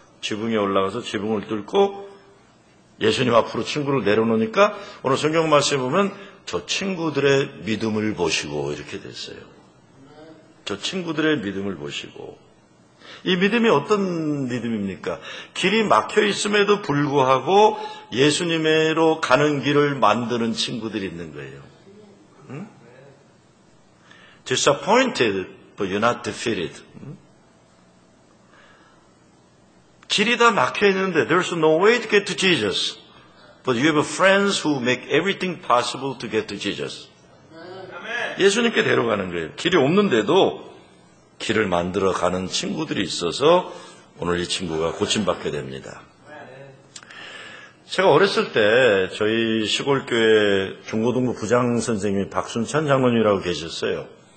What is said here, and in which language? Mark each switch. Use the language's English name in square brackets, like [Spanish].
[Korean] 지붕에 올라가서 지붕을 뚫고 예수님 앞으로 친구를 내려놓으니까 오늘 성경 말씀에 보면 저 친구들의 믿음을 보시고 이렇게 됐어요. 저 친구들의 믿음을 보시고. 이 믿음이 어떤 믿음입니까? 길이 막혀 있음에도 불구하고 예수님으로 가는 길을 만드는 친구들이 있는 거예요. 응? [English] Disappointed, but you're not defeated. 응? [Korean] 길이 다 막혀 있는데 [English] there's no way to get to Jesus. But you have friends who make everything possible to get to Jesus. [Korean] 예수님께 데려가는 거예요. 길이 없는데도 길을 만들어 가는 친구들이 있어서 오늘 이 친구가 고침받게 됩니다. 제가 어렸을 때 저희 시골교회 중고등부 부장 선생님이 박순찬 장로님이라고 계셨어요.